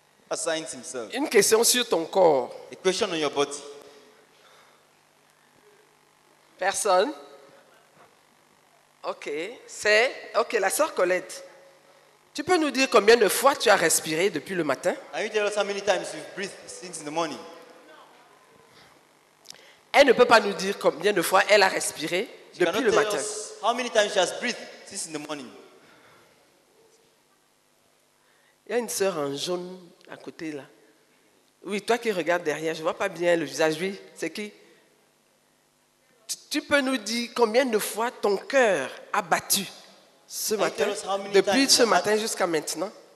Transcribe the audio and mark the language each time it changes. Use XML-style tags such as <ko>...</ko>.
<en>Assigns himself.</en> <fr>Une question sur ton corps.</fr> <en>A question on your body.</en> <fr>Personne? Ok, c'est... Ok, la sœur Colette. Tu peux nous dire combien de fois tu as respiré depuis le matin?</fr> <en>Can you tell us how many times you've breathed since the morning?</en> <fr>Elle ne peut pas nous dire combien de fois elle a respiré depuis le matin.</fr> <en>She cannot tell us how many times she has breathed since the morning.</en> <fr>Il y a une sœur en jaune à côté là. Oui, toi qui regardes derrière, je ne vois pas bien le visage. Oui, c'est qui? Tu peux nous dire combien de fois ton cœur a battu ce matin, depuis ce matin jusqu'à maintenant?</fr>